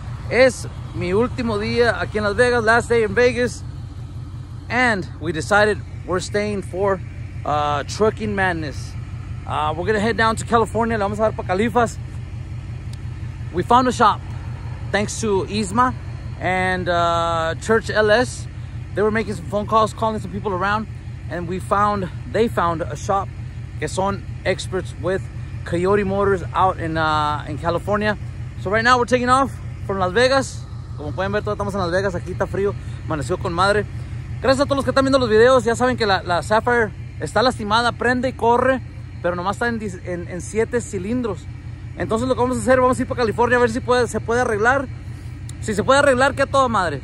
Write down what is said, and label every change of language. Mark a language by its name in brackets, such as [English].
[Spanish] Es mi último día aquí en Las Vegas, [English] last day in Vegas. And we decided we're staying for Truckin Madness. We're gonna head down to California. [Spanish] Le vamos a dar para Califas. [English] We found a shop thanks to Isma and Church LS. They were making some phone calls, calling some people around, and we found, they found a shop que son experts with Coyote Motors out in California. So right now we're taking off from Las Vegas. [Spanish] Como pueden ver, todos estamos en Las Vegas. Aquí está frío, amaneció con madre. Gracias a todos los que están viendo los videos. Ya saben que la Sapphire está lastimada, prende y corre, pero nomás está en 7 cilindros. Entonces lo que vamos a hacer, vamos a ir para California a ver si se puede arreglar. Si se puede arreglar, que a toda madre.